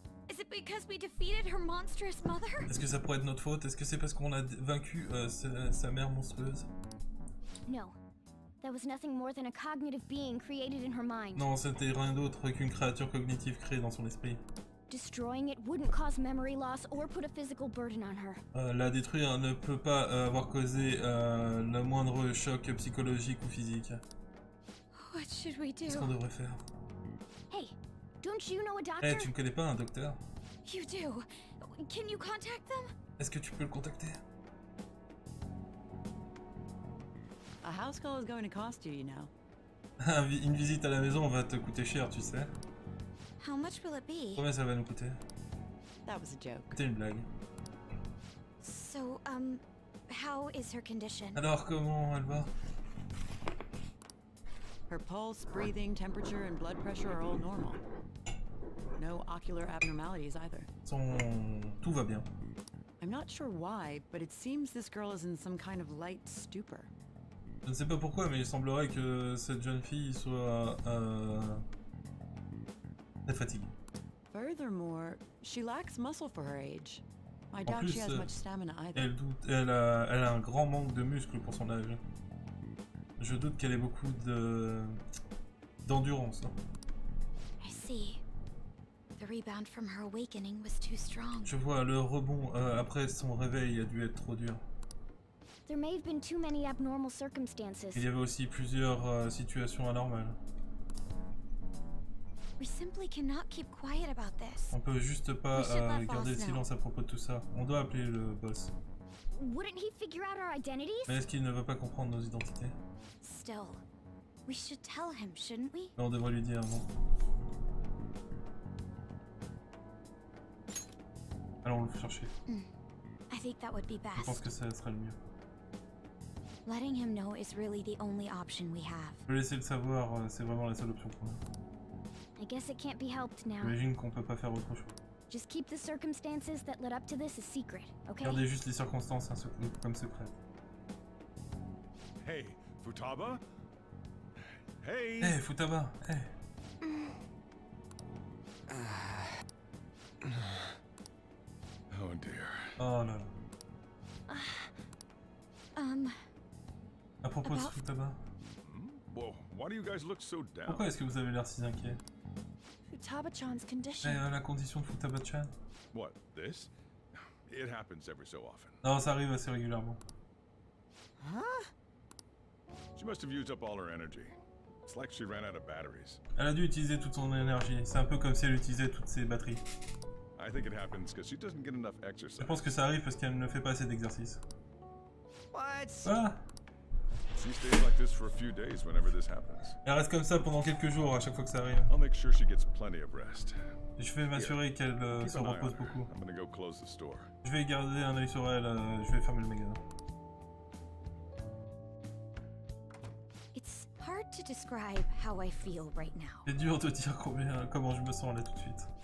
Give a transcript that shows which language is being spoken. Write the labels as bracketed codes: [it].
[en] Is it because we defeated her monstrous mother? [fr] Est-ce que ça pourrait être notre faute? Est-ce que c'est parce qu'on a vaincu sa mère monstrueuse? [en] No. That was nothing more than a cognitive being created in her mind. [fr] Non, c'était rien d'autre qu'une créature cognitive créée dans son esprit. [en] Destroying it wouldn't cause memory loss or put a physical burden on her. [fr] La détruire ne peut pas avoir causé le moindre choc psychologique ou physique. [en] What should we do? [fr] Qu'est-ce qu'on devrait faire? [en] Hey, don't you know a doctor? [fr] Hey, tu ne connais pas un docteur? [en] You do. Can you contact them? [fr] Est-ce que tu peux le contacter? [en] A house call is going to cost you, you know. [fr] Une visite à la maison va te coûter cher, tu sais. [en] How much will it be? [fr] Combien ça va nous coûter? [en] That was a joke. [fr] C'était une blague. [en] So, how is her condition? [fr] Alors comment elle va? [en] Her pulse, breathing, temperature and blood pressure are all normal. No ocular abnormalities either. [fr] Tout va bien. [en] I'm not sure why, but it seems this girl is in some kind of light stupor. [fr] Je ne sais pas pourquoi, mais il semblerait que cette jeune fille soit très fatiguée. [en] Furthermore, she lacks muscle for her age. I doubt she has much stamina either. [fr] Elle a un grand manque de muscles pour son âge. Je doute qu'elle ait beaucoup d'endurance. [en] I see. The rebound from her awakening was too strong. [fr] Je vois, le rebond après son réveil a dû être trop dur. [en] There may have been too many abnormal circumstances. [fr] Il y avait aussi plusieurs situations anormales. [en] We simply cannot keep quiet about this. [fr] On peut juste pas garder le silence à propos de tout ça. On doit appeler le boss. [en] Wouldn't he figure out our identities? [fr] Mais est-ce qu'il ne veut pas comprendre nos identités? [en] Still, we should tell him, shouldn't we? [fr] On devrait lui dire, non. Allons le chercher. [en] I think that would be best. [fr] Je pense que ça serait le mieux. [en] Letting him know is really the only option we have. [fr] Le laisser le savoir, c'est vraiment la seule option qu'on a. [en] I guess it can't be helped now. [fr] J'imagine qu'on peut pas faire autre chose. [en] Just keep the circumstances that led up to this a secret, okay? [fr] Gardez juste les circonstances comme secret. [en] Hey, Futaba. Hey. Hey, Futaba. Hey. Oh dear. [fr] Oh là là. À propos de Futaba. [en] Well, why do you guys look so down? [fr] Pourquoi est-ce que vous avez l'air si inquiet? [en] Futaba-chan's condition. [fr] La condition de Futaba-chan. [en] What? This? It happens every so often. [fr] Non, ça arrive assez régulièrement. Huh? [en] She must have used up all her energy. It's like she ran out of batteries. [fr] Elle a dû utiliser toute son énergie. C'est un peu comme si elle utilisait toutes ses batteries. [en] I think it happens because she doesn't get enough exercise. [fr] Je pense que ça arrive parce qu'elle ne fait pas assez d'exercice. [en] What? Ah. She stays like this for a few days whenever this happens. [fr] Elle reste comme ça pendant quelques jours à chaque fois que ça arrive. [en] I'll make sure she gets plenty of rest. [fr] Je vais m'assurer qu'elle se repose beaucoup. [en] I'm gonna go close the store. [fr] Je vais garder un œil sur elle, je vais fermer le magasin. [en] It's hard to describe how I feel right now. [fr] C'est dur de dire comment je me sens là tout de suite.